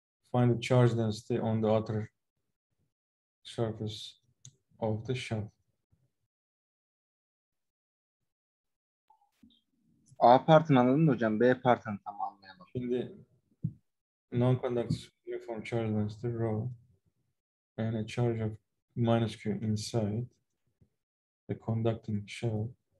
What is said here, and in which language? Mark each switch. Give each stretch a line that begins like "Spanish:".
English: Find the charge density on the outer surface of the shell.
Turkish: A partını anladım hocam, B partını tam anlayamadım. Şimdi
English: non-conducting uniform charge density rho and a charge of minus q inside the conducting shell.